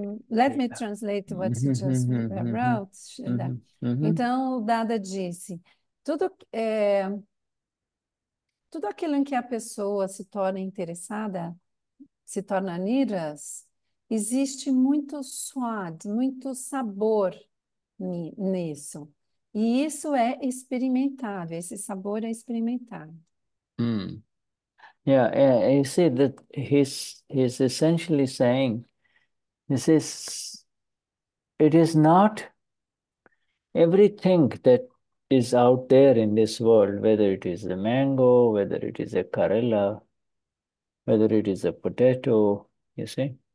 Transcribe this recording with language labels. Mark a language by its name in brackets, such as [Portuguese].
[English] Let me translate what you just wrote, Sheila. [Portuguese] Então, o Dada disse: tudo aquilo em que a pessoa se torna interessada, se torna niras, existe muito swad, muito sabor nisso. E isso é experimentável, esse sabor é experimentável. [English] Yeah, I see that he's essentially saying this is it is not everything that is out there in this world, whether it is a mango, whether it is a karela, whether it is a potato, you see,